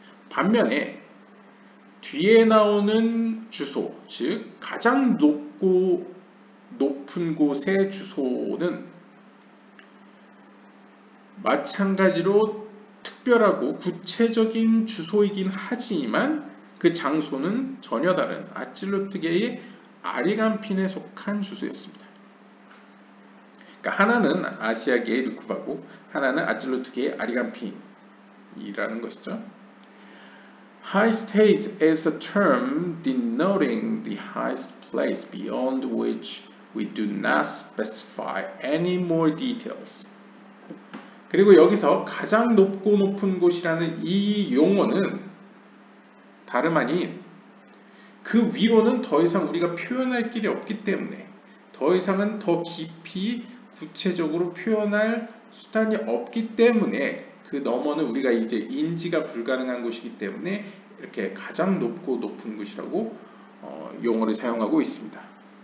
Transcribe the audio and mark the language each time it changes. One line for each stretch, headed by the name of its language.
Korean: 반면에 뒤에 나오는 주소, 즉 가장 높고 높은 곳의 주소는 마찬가지로 특별하고 구체적인 주소이긴 하지만 그 장소는 전혀 다른 아찔루트계의 아리간핀에 속한 주소였습니다. 그러니까 하나는 아시아계의 누쿠바고 하나는 아찔루트계의 아리간핀이라는 것이죠.
English: High state is a term denoting the highest place beyond which we do not specify any more details.
Korean: 그리고 여기서 가장 높고 높은 곳이라는 이 용어는 다름 아닌 그 위로는 더 이상 우리가 표현할 길이 없기 때문에 더 이상은 더 깊이 구체적으로 표현할 수단이 없기 때문에 그 너머는 우리가 이제 인지가 불가능한 곳이기 때문에 이렇게 가장 높고 높은 곳이라고 용어를 사용하고 있습니다.